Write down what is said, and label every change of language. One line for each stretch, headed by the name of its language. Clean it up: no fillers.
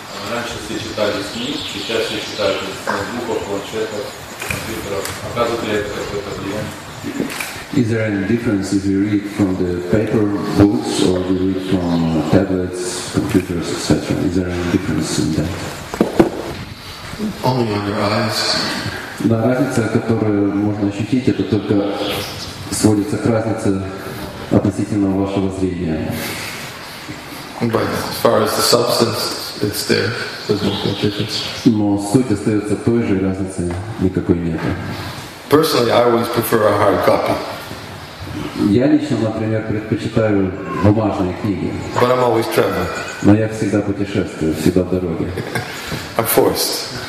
Russian: раньше все читали с книг, сейчас все читают с ноутбуков, планшетов, компьютеров. Оказывает ли это какое-то влияние?
English: Is there any difference if you read from the paper books or you read from tablets, computers, etc.? Is there any difference in that? Only on your eyes.
Russian: Да, разница, которую можно ощутить, это только сводится к разнице относительно вашего зрения.
English: But as far as the substance, it's there. There's no difference.
Russian: Но суть остается той же, разницы никакой нет.
English: Personally, I always prefer a hard copy.
Russian: Я лично, например, предпочитаю бумажные книги.
English: But I'm always traveling.
Russian: Но я всегда путешествую, всегда в дороге.
English: I'm forced.